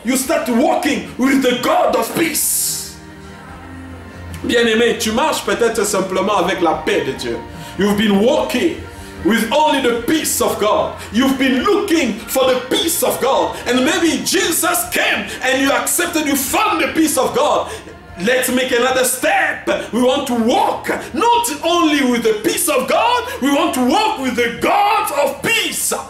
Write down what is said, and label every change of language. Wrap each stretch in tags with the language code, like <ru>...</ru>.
<en>You start walking with the God of peace.</en> <fr>Bien-aimé, tu marches peut-être simplement avec la paix de Dieu.</fr> <en>You've been walking with only the peace of God. You've been looking for the peace of God. And maybe Jesus came and you accepted, you found the peace of God. Let's make another step. We want to walk not only with the peace of God, we want to walk with the God of peace.</en>